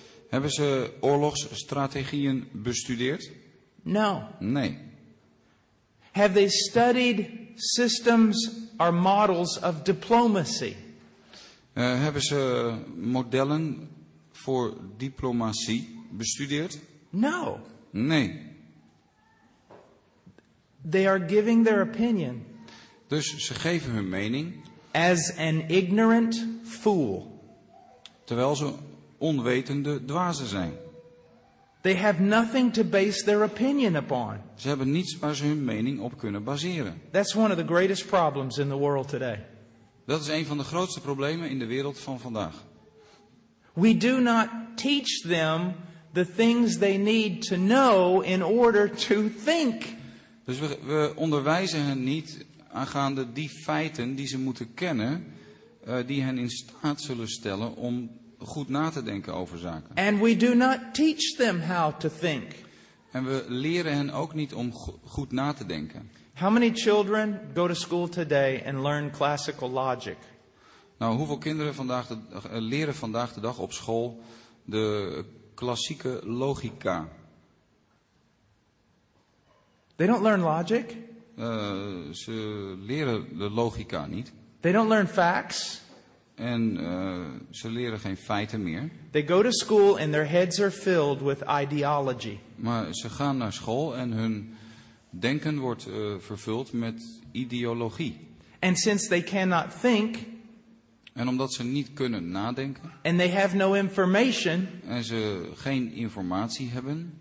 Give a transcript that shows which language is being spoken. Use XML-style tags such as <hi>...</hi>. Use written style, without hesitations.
<nl>Hebben ze oorlogsstrategieën bestudeerd?</nl> <en>No.</en> <nl>Nee.</nl> <en>Have they studied systems or models of diplomacy?</en> <nl>Hebben ze modellen voor diplomatie bestudeerd?</nl> <en>No.</en> <nl>Nee.</nl> <en>They are giving their opinion.</en> <nl>Dus ze geven hun mening.</nl> <en>As an ignorant fool.</en> <nl>Terwijl ze onwetende dwazen zijn.</nl> <en>They have nothing to base their opinion upon.</en> <nl>Ze hebben niets waar ze hun mening op kunnen baseren.</nl> <en>That's one of the greatest problems in the world today.</en> <nl>Dat is een van de grootste problemen in de wereld van vandaag.</nl> <en>We do not teach them the things they need to know in order to think.</en> <nl>Dus we onderwijzen hen niet aangaande die feiten die ze moeten kennen, die hen in staat zullen stellen om goed na te denken over zaken.</nl> <en>And we do not teach them how to think.</en> <nl>En we leren hen ook niet om goed na te denken.</nl> <en>How many children go to school today and learn classical logic?</en> <nl>Nou, hoeveel kinderen vandaag leren vandaag de dag op school de klassieke logica?</nl> <en>They don't learn logic.</en> <nl>Ze leren de logica niet.</nl> <en>They don't learn facts.</en> <nl>En ze leren geen feiten meer.</nl> <en>They go to school and their heads are filled with ideology.</en> <nl>Maar ze gaan naar school en hun denken wordt vervuld met ideologie.</nl> <en>And since they cannot think,</en> <nl>en omdat ze niet kunnen nadenken,</nl> <en>and they have no information,</en> <nl>en ze geen informatie hebben,</nl>